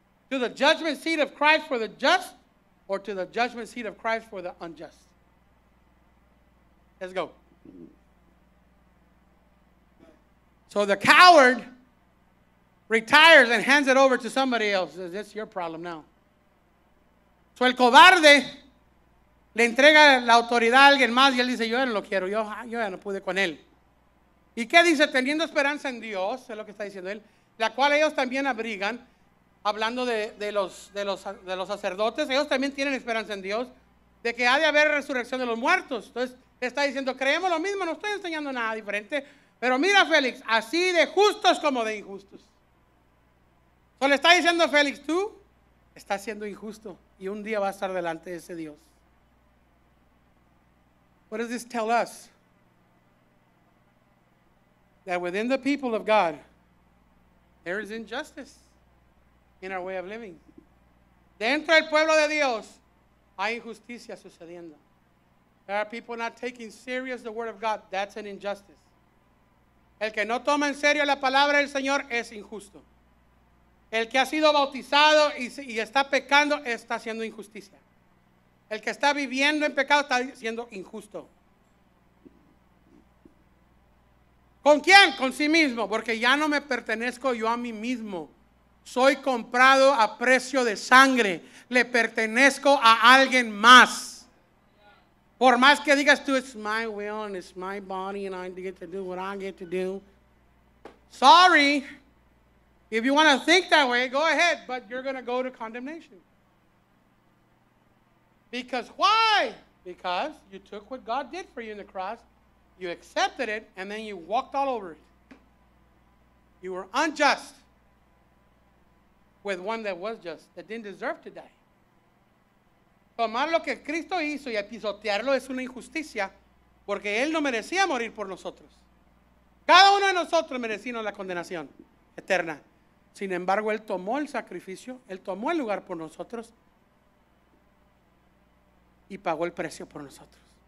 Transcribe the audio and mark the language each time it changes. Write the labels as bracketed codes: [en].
[en] To the judgment seat of Christ for the just, or to the judgment seat of Christ for the unjust. Let's go. So the coward retires and hands it over to somebody else. Says, it's your problem now. [es] So el cobarde le entrega la autoridad a alguien más y él dice, yo ya no lo quiero, yo ya no pude con él. ¿Y qué dice? Teniendo esperanza en Dios, es lo que está diciendo él, la cual ellos también abrigan, hablando de los sacerdotes, ellos también tienen esperanza en Dios, de que ha de haber resurrección de los muertos. Entonces, le está diciendo, creemos lo mismo, no estoy enseñando nada diferente, pero mira, Félix, así de justos como de injustos. So, le está diciendo a Félix, tú estás siendo injusto y un día vas a estar delante de ese Dios. [en] What does this tell us? That within the people of God, there is injustice in our way of living. [es] Dentro del pueblo de Dios, hay injusticia sucediendo. [en] There are people not taking serious the word of God. That's an injustice. [es] El que no toma en serio la palabra del Señor es injusto. El que ha sido bautizado y está pecando está haciendo injusticia. El que está viviendo en pecado está siendo injusto. ¿Con quién? Con sí mismo, porque ya no me pertenezco yo a mí mismo. Soy comprado a precio de sangre. Le pertenezco a alguien más. Por más que digas tú, [en] it's my will and it's my body and I get to do what I get to do. Sorry. If you want to think that way, go ahead. But you're going to go to condemnation. Because why? Because you took what God did for you in the cross. You accepted it and then you walked all over it. You were unjust with one that was just, that didn't deserve to die. [es] Tomar lo que Cristo hizo y pisotearlo es una injusticia porque Él no merecía morir por nosotros. Cada uno de nosotros merecía la condenación eterna. Sin embargo, Él tomó el sacrificio, Él tomó el lugar por nosotros y pagó el precio por nosotros.